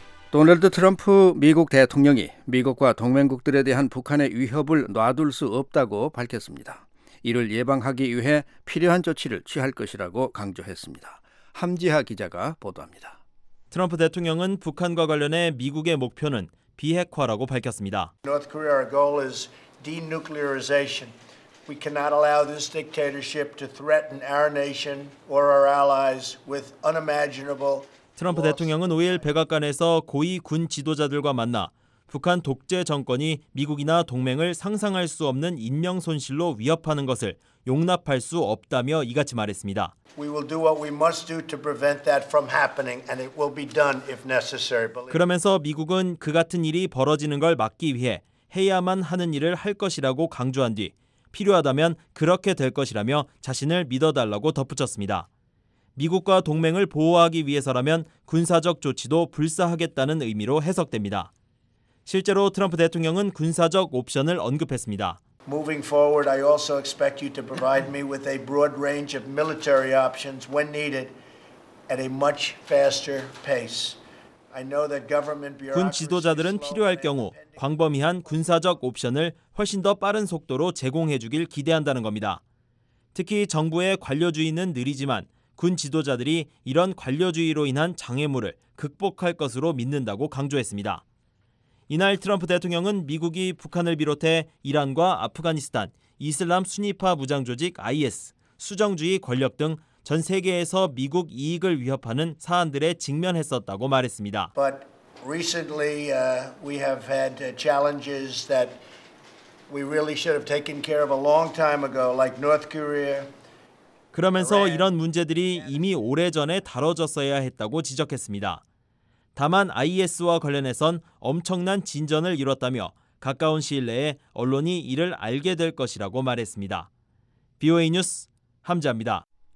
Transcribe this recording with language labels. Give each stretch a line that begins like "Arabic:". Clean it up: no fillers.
Korean: 도널드 트럼프 미국 대통령이 미국과 동맹국들에 대한 북한의 위협을 놔둘 수 없다고 밝혔습니다. 이를 예방하기 위해 필요한 조치를 취할 것이라고 강조했습니다. 함지하 기자가 보도합니다. 트럼프 대통령은 북한과 관련해 미국의 목표는 비핵화라고 밝혔습니다.
English: North Korea, our goal is denuclearization. We cannot allow this dictatorship to threaten our nation or our allies with unimaginable.
Korean: 트럼프 대통령은 5일 백악관에서 고위 군 지도자들과 만나 북한 독재 정권이 미국이나 동맹을 상상할 수 없는 인명 손실로 위협하는 것을 용납할 수 없다며 이같이 말했습니다.
English: We will do what we must do to prevent that from happening, and it will be done if necessary.
Korean: 그러면서 미국은 그 같은 일이 벌어지는 걸 막기 위해 해야만 하는 일을 할 것이라고 강조한 뒤 필요하다면 그렇게 될 것이라며 자신을 믿어달라고 덧붙였습니다. 미국과 동맹을 보호하기 위해서라면 군사적 조치도 불사하겠다는 의미로 해석됩니다. 실제로 트럼프 대통령은 군사적 옵션을 언급했습니다.
English: Moving forward, I also expect you to provide me with a broad range of military options when needed at a much faster pace. I know that government bureaucracy.
Korean: 군 지도자들은 필요할 경우 광범위한 군사적 옵션을 훨씬 더 빠른 속도로 제공해 주길 기대한다는 겁니다. 특히 정부의 관료주의는 느리지만 군 지도자들이 이런 관료주의로 인한 장애물을 극복할 것으로 믿는다고 강조했습니다. 이날 트럼프 대통령은 미국이 북한을 비롯해 이란과 아프가니스탄, 이슬람 순위파 무장조직 IS, 수정주의 권력 등 전 세계에서 미국 이익을 위협하는 사안들에 직면했었다고 말했습니다.
English: But recently we have had challenges that we really should have taken care of a long time ago, like North Korea.
Korean: 그러면서 이런 문제들이 이미 오래전에 다뤄졌어야 했다고 지적했습니다. 다만 IS와 관련해선 엄청난 진전을 이뤘다며 가까운 시일 내에 언론이 이를 알게 될 것이라고 말했습니다. BOA 뉴스 함재입니다.